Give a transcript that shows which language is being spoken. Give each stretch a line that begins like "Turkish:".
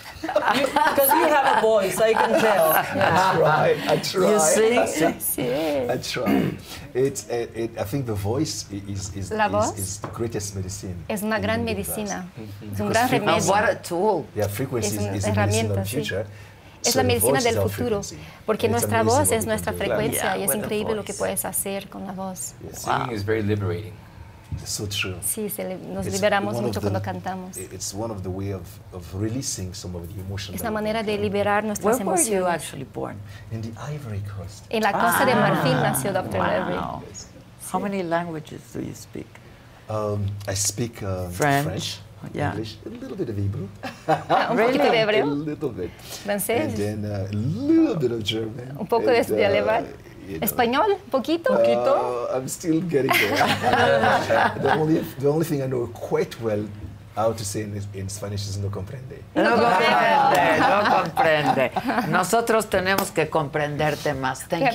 English: Because you have a voice, I can tell. I try. You sing? Sí. I try. It's I think the voice is the greatest medicine.
Spanish: Es una gran medicina. Es un gran remedio.
English: What a tool. Yeah, frequency is a medicine of the future.
Spanish: Sí. es la medicina del futuro, porque nuestra voz es nuestra frecuencia, y es increíble lo que puedes hacer con la voz.
English: Singing is very liberating. So true.
Spanish: Sí, nos liberamos mucho cuando cantamos.
English: It's one of the way of releasing some of the emotions.
Spanish: Es la manera de liberar nuestras emociones.
English: Where were you actually born? In the Ivory Coast.
Spanish: En la costa de Marfil nació Dr. Levry.
English: Wow. How many languages do you speak? I speak French. Yeah. English, a little bit of Hebrew. Really? A little bit.
Spanish: Francés.
English: And then a little bit of German.
Spanish: Un poco de alemán. Español, poquito. Poquito.
English: I'm still getting there. the only thing I know quite well how to say in Spanish is
Spanish: no comprende. No comprende. No comprende. Nosotros tenemos que comprenderte más. Thank